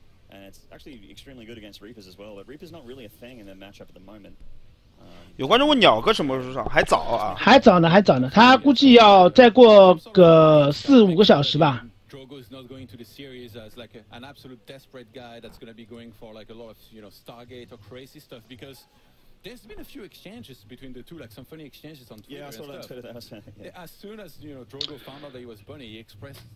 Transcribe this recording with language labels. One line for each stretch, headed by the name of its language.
English: And it's actually extremely good against Reapers as well, but Reapers not really a thing in the matchup at the moment.
Chinese: 有观众问鸟哥什么时候上，还早啊？还早呢，还早呢。他估计要再过个4-5个小时吧。
English: Drogo is not going to the series as like an absolute desperate guy that's going to be going for like a lot of you know Stargate or crazy stuff because there's been a few exchanges between the two, like some funny exchanges on Twitter. Yeah, I saw that Twitter. As soon as you know Drogo found out that he was Bunny, he expressed.